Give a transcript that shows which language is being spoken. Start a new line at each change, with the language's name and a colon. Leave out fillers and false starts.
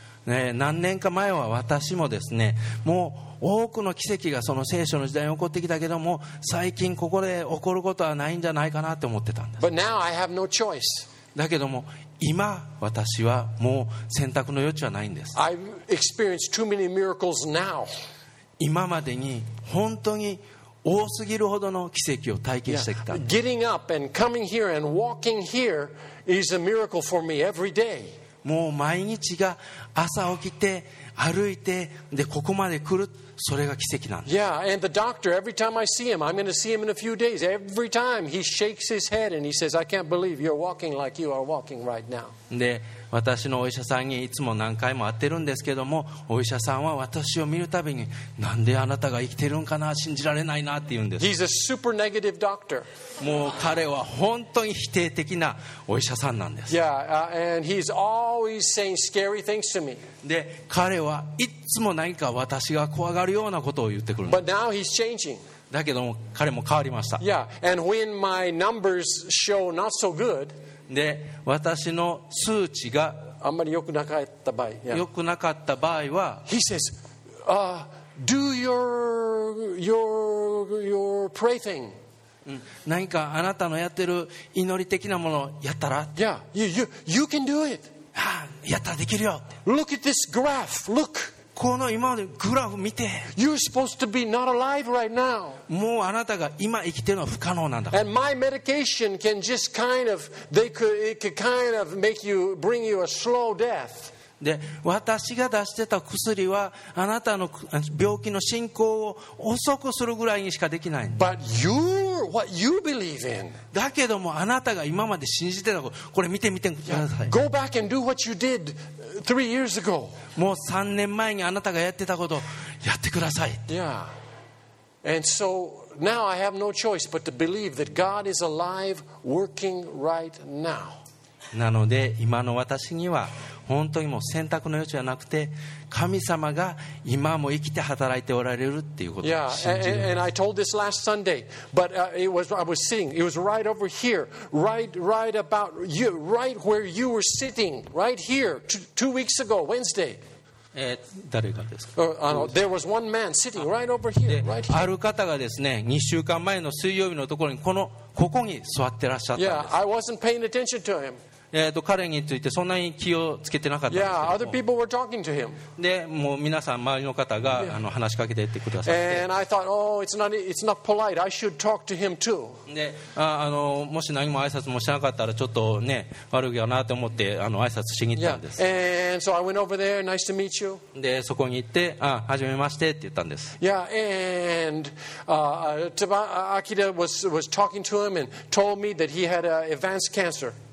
Japanese: ね、何年か前は私もですね、もう多くの奇跡がその聖書の時代に起こってきたけども、最近ここで起こることはないんじゃないかなって思ってたんです。
English: But now I have no choice.
Japanese: だけども今私はもう選択の余地はないんです。
English: I've experienced too many miracles now.
Japanese: 今までに本当に多すぎるほどの奇跡を体験してきた。
English: yeah, Getting up and coming here and walking here is a miracle for me every day.
Japanese: もう毎日が朝起きて歩いてでここまで来る、それが奇跡なんです。
English: Yeah, and the doctor, every time I see him, I'm going to see him in a few days. Every time he shakes his head and he says, I can't believe you're walking like you are walking right now.
Japanese: で私のお医者さんにいつも何回も会ってるんですけども、お医者さんは私を見るたびに、なんであなたが生きてるんかな、信じられないなって言うんです。
English: He's a super negative doctor.
Japanese: もう彼は本当に否定的なお医者さんなんです。
English: Yeah, and he's always saying scary things to me.
Japanese: で彼はいつも何か私が怖がるようなことを言ってくるんです。
English: But now he's changing.
Japanese: だけども彼も変わりました。
English: Yeah, and when my numbers show not so good,
Japanese: で私の数値があんまり良くなかった場合、良くなかった場合は、
English: He says, do your pray thing.
Japanese: 何かあなたのやってる祈り的なものをやったら、
English: Yeah, you can do it.
Japanese: やったらできるよ。
English: Look at this graph. Look.
Japanese: この今までグラフ見て、
English: You're supposed to be not alive right now.
Japanese: もうあなたが今生きてるのは不可能なんだ。
English: And my medication can just kind of, it could kind of make you, bring you a slow death.
Japanese: で、私が出してた薬はあなたの病気の進行を遅くするぐらいにしかできないんだ。
English: But you're what you believe in.
Japanese: だけどもあなたが今まで信じてたこと、これ見てみてください。
English: Go back and do what you did. 3 years ago.
Japanese: もう3年前にあなたがやってたことをやってください。
English: Yeah. And so now I have no choice but to believe that God is alive, working right now.
Japanese: なので今の私には本当にもう選択の余地はなくて、神様が今も生きて働いておられるっていうことを信じる。
English: Yeah. And I told this last Sunday, but it was right over here, right about you, right where you were sitting, right here, two weeks ago, Wednesday.
Japanese: 誰がですか？
English: There was one man sitting right over here, right here.
Japanese: ある方がですね、2週間前の水曜日のところにここに座ってらっしゃったんです。
English: Yeah, I wasn't paying attention to him.
Japanese: 彼についてそんなに気をつけてなかったんですけども、
English: yeah, other people were talking to him.
Japanese: でもう皆さん周りの方が、yeah. 話しかけていってくださって、
English: And I thought, oh, it's not polite. I should talk to him too.
Japanese: で、もし何も挨拶もしなかったらちょっとね、悪いよなと思って挨拶しに行ったんです。
English: yeah. And so I went over there. Nice to meet you.
Japanese: でそこに行って、はじめましてって言ったんです。
English: Yeah, and Akira was talking to him and told me that he had advanced cancer